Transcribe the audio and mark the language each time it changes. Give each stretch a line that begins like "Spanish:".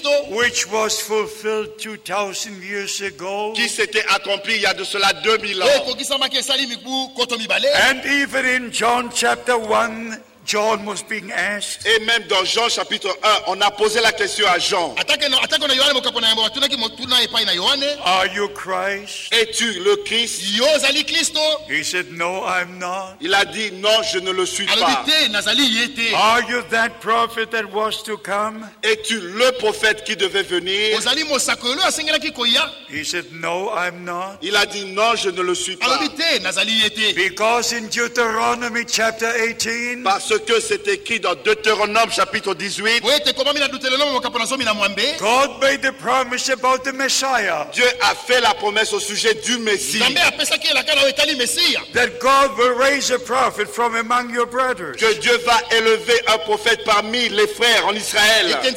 English: Which was fulfilled 2,000 years ago.
French: Qui s'était accompli il y a de cela 2000 ans.
English: And even in John chapter 1, John was being asked.
French: Et même dans Jean chapitre 1, on a posé la question à Jean.
English: Are you Christ?
French: Es-tu le Christ?
Lingala: Yo, zali Christo?
English: He said, no, I'm not.
French: Il a dit, non, je ne le suis pas.
English: Are you that prophet that was to come?
French: Es-tu le prophète qui devait venir?
English: He said, no, I'm not.
French: Il a dit, non, je ne le suis pas.
English: Because in Deuteronomy chapter 18,
French: que c'est écrit dans Deutéronome chapitre 18.
English: God made the promise about the Messiah.
French: Dieu a fait la promesse au sujet du Messie.
English: That God will raise a prophet from among your brothers.
French: Que Dieu va élever un prophète parmi les frères en Israël.